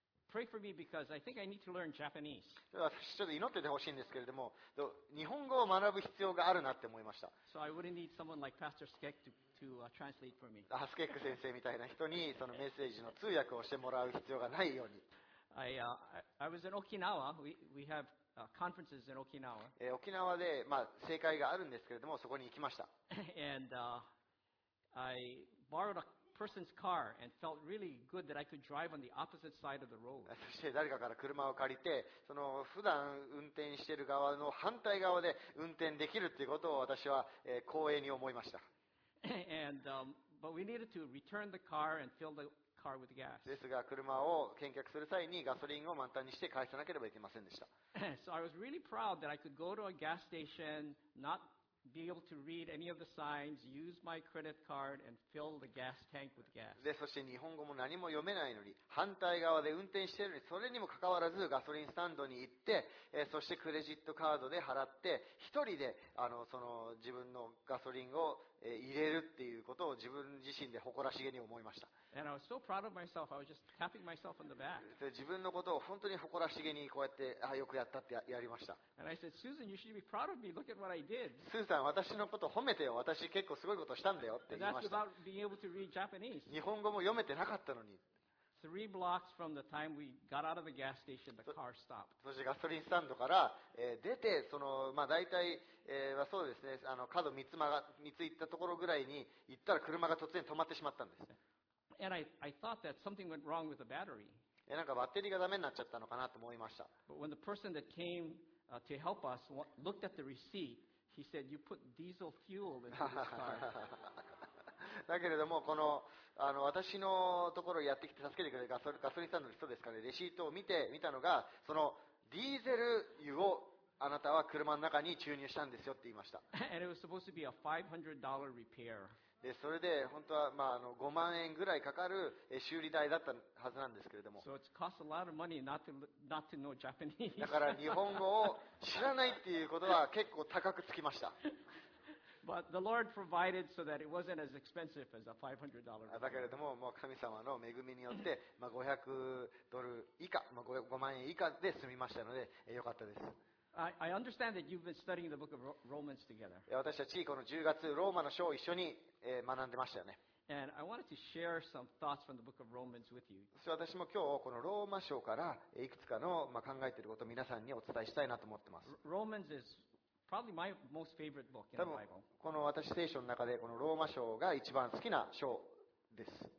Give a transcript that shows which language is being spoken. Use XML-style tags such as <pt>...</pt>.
<en>Pray for me because I think I need to learn Japanese.</en> <ja>私ちょっと祈っててほしいんですけれども、日本語を学ぶ必要があるなって思いました。</ja> <en>So I wouldn't need someone like Pastor Skek to translate for me.</en> <ja>スケック先生みたいな人にそのメッセージの通訳をしてもらう必要がないように。</ja> <en>I was in Okinawa. We have conferences in Okinawa.</en> <ja>沖縄で盛会があるんですけれども、そこに行きました。</ja> <en>And I borrowed a person's car and felt really good that I could drive on the opposite side of the road.</en> <ja>そして誰かから車を借りて、その普段運転している側の反対側で運転できるということを私は光栄に思いました。</ja> <en>And but we needed to return the car and fill the car with gas.</en> <ja>ですが車を返却する際にガソリンを満タンにして返さなければいけませんでした。</ja> <en>So I was really proud that I could go to a gas station not. Be able to read any of the signs, use my credit card, and fill the gas tank with gas.</en> <ja>で、そして日本語も何も読めないのに、反対側で運転しているのに、それにもかかわらずガソリンスタンドに行って、そしてクレジットカードで払って、一人で自分のガソリンを入れるっていうことを自分自身で誇らしげに思いました。自分のことを本当に誇らしげにこうやって、あ、よくやったってやりました。</ja> <en>Susan, you should be proud of me. Look at what I did.</en> <ja>スーさん、私のこと褒めてよ。私結構すごいことしたんだよって言いました。</ja> <en>That's about being able to read Japanese.</en> <ja>日本語も読めてなかったのに。</ja> <en>Three blocks from the time we got out of the gas station, the car stopped.</en> <ja>そしてガソリンスタンドから、出て、その、まあ、大体、そうですね、あの角3つ曲が、3つ行ったところぐらいに行ったら車が突然止まってしまったんです。</ja> <en>And I thought that something went wrong with the battery.</en> <ja>なんかバッテリーがダメになっちゃったのかなと思いました。</ja> <en>But when the person that came to help us looked at the receipt, he said, "You put diesel fuel into this car."</en> <ja>だけれども、この、あの、私のところやってきて助けてくれるガソリンスタンドの人ですかね、レシートを見てみたのが、そのディーゼル油をあなたは車の中に注入したんですよって言いました。</ja> <en>And it was supposed to be a $500 repair.</en> <ja>で、それで本当は、まあ、あの5万円ぐらいかかる修理代だったはずなんですけれども。</ja> <en>So it's cost a lot of money not to know Japanese.</en> <ja>だから日本語を知らないっていうことは結構高くつきました。</ja> <en>But the Lord provided so that it wasn't as expensive as a $500.</en> <ja>だけれども、もう神様の恵みによって、まあ、500ドル以下、まあ、5万円以下で済みましたので、よかったです。</ja> <en>I understand that you've been studying the book of Romans together.</en> <ja>私たちこの10月、ローマの書を一緒に学んでましたよね。</ja> <en>And I wanted to share some thoughts from the book of Romans with you.</en> <ja>私も今日このローマ書からいくつかの、まあ、考えていることを皆さんにお伝えしたいなと思ってます。</ja> <en>Romans is probably my most favorite book in the Bible.</en> <ja>この私聖書の中でこのローマ書が一番好きな書です。</ja>